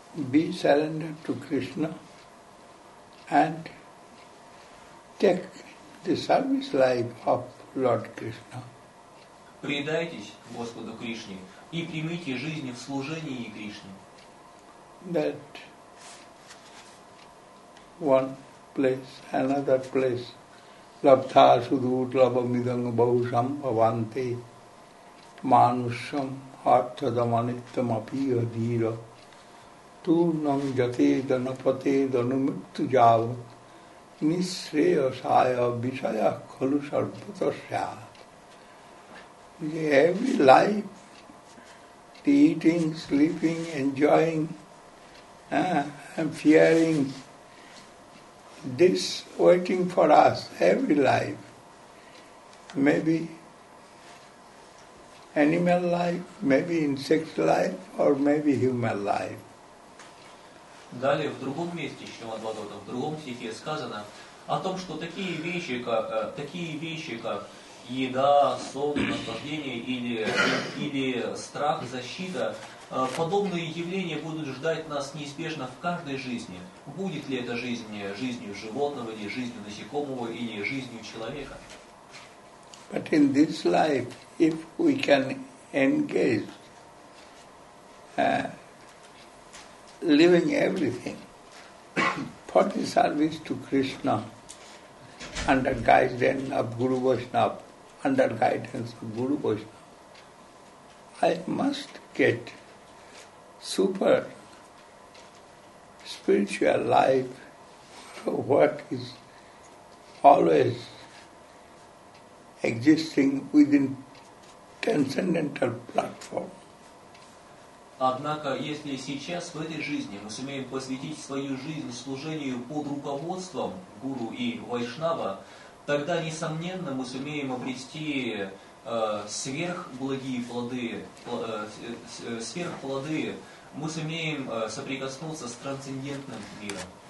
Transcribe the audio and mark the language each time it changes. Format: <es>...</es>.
<en>Be surrendered to Krishna and take the service life of Lord Krishna.</en> <ru>Предайтесь Господу Кришне и примите жизнь в служении Кришне.</ru> <sa>That one place, another place, labdha sudhut labamidang bahusham avante manusham arthadamanittam apiya dhira tu nam jate danapate danumittu java nisreya saya visaya khalu sarputasya.</sa> <en>Every life, the eating, sleeping, enjoying, and fearing, this waiting for us, every life, maybe animal life, maybe insect life, or maybe human life.</en> <ru>Далее, в другом месте, в другом стихе сказано о том, что такие вещи, как еда, сон, наслаждение или страх, защита. Подобные явления будут ждать нас неизбежно в каждой жизни. Будет ли эта жизнь жизнью животного, или жизнью насекомого, или жизнью человека?</ru> <en>But in this life, if we can engage living everything for the service to Krishna under guidance of Guru Vaishnava, under guidance of Guru Vaishnava, I must get super spiritual life, what is always existing within transcendental platform.</en> <ru>Однако, если сейчас в этой жизни мы сумеем посвятить свою жизнь служению под руководством Гуру и Вайшнава, тогда, несомненно, мы сумеем обрести сверхблагие плоды, сверхплоды, мы сумеем соприкоснуться с трансцендентным миром.</ru>